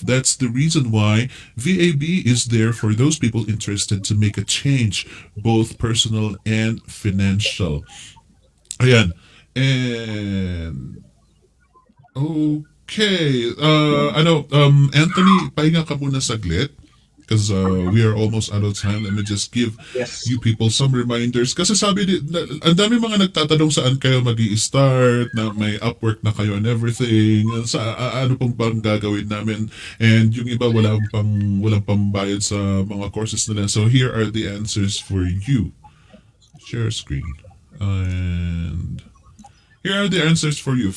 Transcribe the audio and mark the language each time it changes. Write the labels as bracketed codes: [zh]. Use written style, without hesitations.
[en] That's the reason why VAB is there for those people interested to make a change, both personal and financial. [tl] Ayan. [en] And... okay, Anthony, [tl] pahinga ka muna saglit, [en] because we are almost out of time. Let me just give you people some reminders. [tl] Kasi sabi, ang dami mga nagtatanong saan kayo mag-i-start, na may Upwork na kayo [en] and everything, [tl] sa ano pong bang gagawin namin, and yung iba walang pang bayad sa mga courses nila. [en] So here are the answers for you. Share screen. And here are the answers for you.